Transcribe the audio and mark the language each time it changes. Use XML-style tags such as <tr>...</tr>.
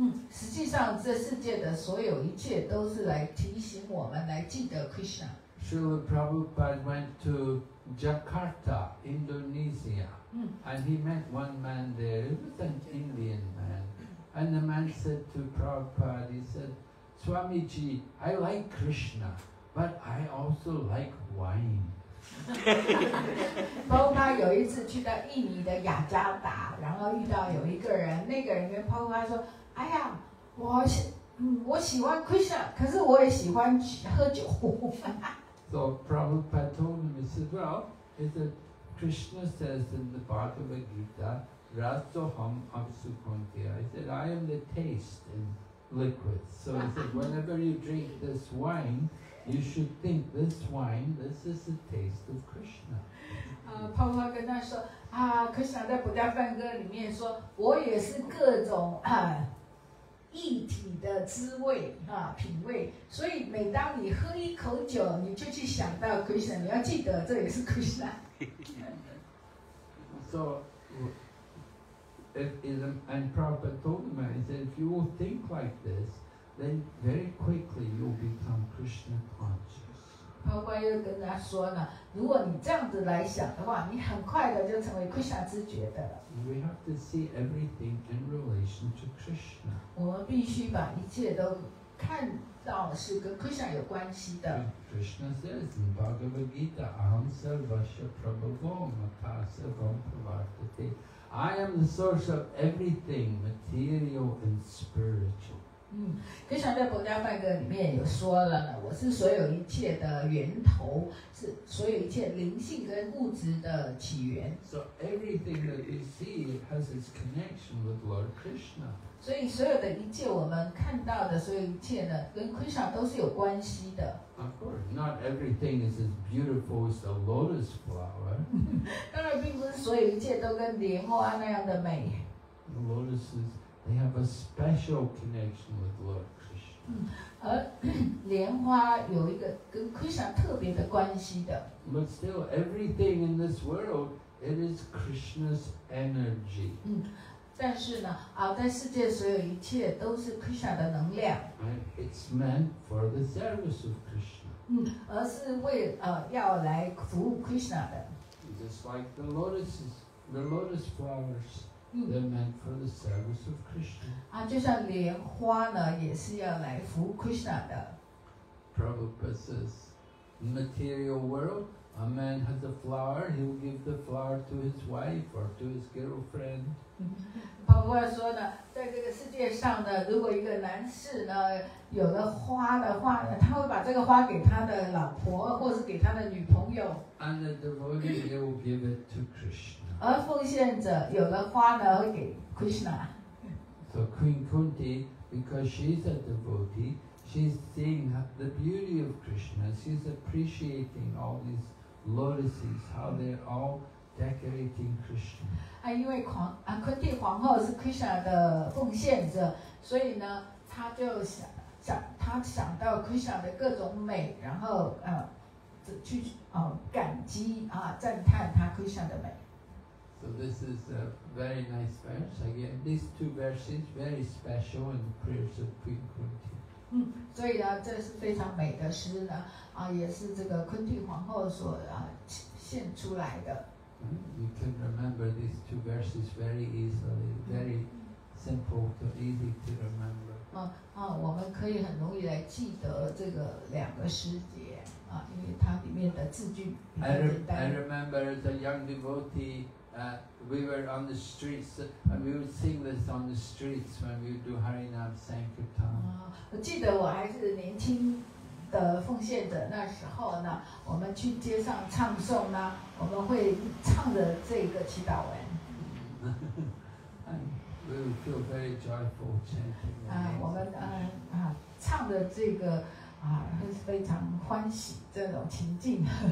<zh>实际上这世界的所有一切都是来提醒我们来记得 Krishna.</zh> <en>Srila Prabhupada went to Jakarta, Indonesia, and he met one man there. It was an Indian man. And the man said to Prabhupada, he said, Swamiji, I like Krishna, but I also like wine.</en> <zh>Prabhupada 有一次去到印尼的雅加达，然后遇到有一个人，那个人跟 Prabhupada 说，哎呀，我喜欢 Krishna, 可是我也喜欢喝酒。</zh> <en>So Prabhupada told him, he said, well, he said, Krishna says in the Bhagavad Gita,</en> <sa>Rasoham Apsukunti.</sa> <en>I said, I am the taste in liquids. So he said, whenever you drink this wine, you should think this wine, this is the taste of Krishna.</en> <zh>Prabhupada 跟他说，啊，Krishna 在《薄伽梵歌》里面说，我也是各种液体的滋味啊，品味。所以每当你喝一口酒，你就去想到 Krishna， 你要记得这也是 Krishna.</zh> <en>So. And Prabhupada told him, he said, if you will think like this, then very quickly you will become Krishna conscious.</en> <zh>Prabhupada 又跟他说呢，如果你这样子来想的话，你很快的就成为 Krishna 知觉的了。</zh> <en>We have to see everything in relation to Krishna.</en> <zh>我们必须把一切都看到是跟 Krishna 有关系的。</zh> <en>Krishna says in Bhagavad Gita,</en> <sa>Aham Sarvasya Prabhavam Akasa Vampavartate.</sa> <en>I am the source of everything, material and spiritual.</en> <zh>Krishna 在《薄伽梵歌》里面有说了呢，我是所有一切的源头，是所有一切灵性跟物质的起源。</zh> <en>So everything that you see has its connection with Lord Krishna.</en> <zh>所以所有的一切我们看到的所有一切呢，跟 Krishna 都是有关系的。</zh> <en>Of course, not everything is as beautiful as a lotus flower.</en> <zh>当然，并不是所有一切都跟莲花那样的美。</zh> <en>The lotuses, they have a special connection with Lord Krishna.</en> <zh>莲花有一个跟 Krishna 特别的关系的。</zh> <en>But still, everything in this world, it is Krishna's energy.</en> <zh>但是呢，啊，在世界所有一切都是 Krishna 的能量。</zh> <en>It's meant for the service of Krishna.</en> <zh>嗯，而是为要来服务 Krishna 的。</zh> <en>Just like the lotuses, the lotus flowers, they're meant for the service of Krishna.</en> <zh>啊，就像莲花呢，也是要来服务 Krishna 的。</zh> <en>Prabhupada says, in the material world, a man has a flower, he will give the flower to his wife or to his girlfriend.</en> <zh>婆婆说呢，在这个世界上呢，如果一个男士呢有了花的话呢，他会把这个花给他的老婆或是给他的女朋友。</zh> <en>And the devotee, he will give it to Krishna.</en> <zh>而奉献者有了花呢，会给 Krishna.</zh> <en>So Queen Kunti, because she's a devotee,She's seeing the beauty of Krishna. She's appreciating all these lotuses, how they're all decorating Krishna.</en> <zh>啊，因为皇啊，昆蒂皇后是 Krishna 的奉献者，所以呢，她就想到 Krishna 的各种美，然后去感激啊，赞叹他 Krishna 的美。</zh> <en>So this is a very nice verse. Again, these two verses very special in the prayers of Queen Kunti.</en> <zh>嗯，所以呢，这是非常美的诗呢，啊，也是这个昆蒂皇后所献出来的。</zh> <en>You can remember these two verses very easily, very simple, so easy to remember.</en> <zh>我们可以很容易来记得这个两个诗节啊，因为它里面的字句很简单。</zh> <en>I remember as a young devotee, we were on the streets, and we would sing this on the streets when we would do Harinam Sankirtan.</en> <zh>我记得我还是年轻的奉献者，那时候呢，我们去街上唱诵呢，我们会唱着这个祈祷文。</zh> <en>We would feel very joyful chanting.</en> <zh>我们唱着这个会是非常欢喜这种情境。</zh>